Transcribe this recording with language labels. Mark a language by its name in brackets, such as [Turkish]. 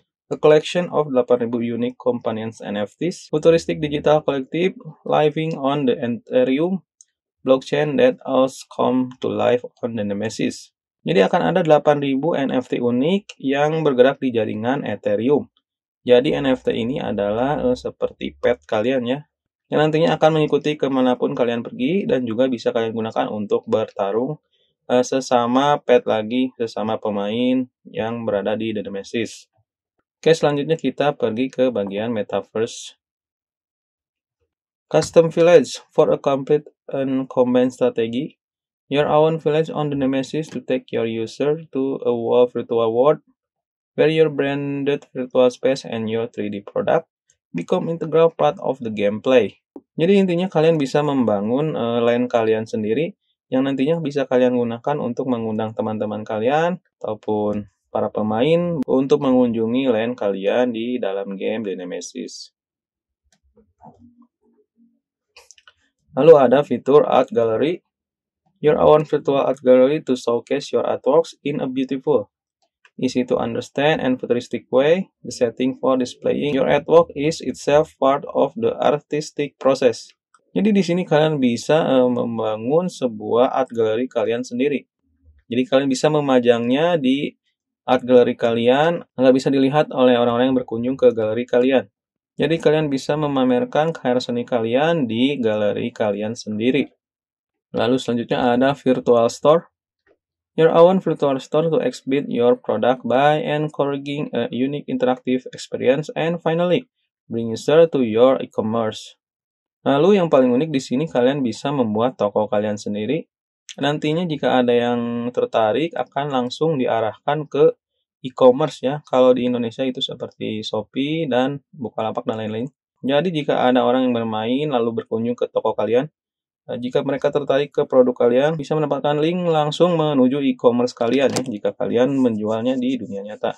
[English] A collection of 8,000 unique companions NFTs, futuristic digital collective living on the Ethereum blockchain that has come to life on the Nemesis. [Indonesian] Jadi akan ada 8,000 NFT unik yang bergerak di jaringan Ethereum. Jadi NFT ini adalah seperti pet kalian ya, yang nantinya akan mengikuti kemanapun kalian pergi dan juga bisa kalian gunakan untuk bertarung sesama pet lagi, sesama pemain yang berada di The Nemesis. Oke, selanjutnya kita pergi ke bagian Metaverse. [English] Custom Village for a complete and combined strategy. Your own village on the Nemesis to take your user to a world virtual world where your branded virtual space and your 3D product become integral part of the gameplay. [Indonesian] Jadi intinya kalian bisa membangun lane kalian sendiri yang nantinya bisa kalian gunakan untuk mengundang teman-teman kalian ataupun para pemain untuk mengunjungi lane kalian di dalam game The Nemesis. Lalu ada fitur Art Gallery. [English] Your own virtual art gallery to showcase your artworks in a beautiful, easy to understand and futuristic way, the setting for displaying your artwork is itself part of the artistic process. [Indonesian] Jadi di sini kalian bisa membangun sebuah art gallery kalian sendiri. Jadi kalian bisa memajangnya di art gallery kalian, nggak bisa dilihat oleh orang-orang yang berkunjung ke galeri kalian. Jadi kalian bisa memamerkan karya seni kalian di galeri kalian sendiri. Lalu selanjutnya ada virtual store. [English] Your own virtual store to exhibit your product by encouraging a unique interactive experience and finally bring user to your e-commerce. [Indonesian] Lalu yang paling unik di sini kalian bisa membuat toko kalian sendiri. Nantinya jika ada yang tertarik akan langsung diarahkan ke e-commerce ya. Kalau di Indonesia itu seperti Shopee dan Bukalapak dan lain-lain. Jadi jika ada orang yang bermain lalu berkunjung ke toko kalian, jika mereka tertarik ke produk kalian, bisa mendapatkan link langsung menuju e-commerce kalian ya, jika kalian menjualnya di dunia nyata.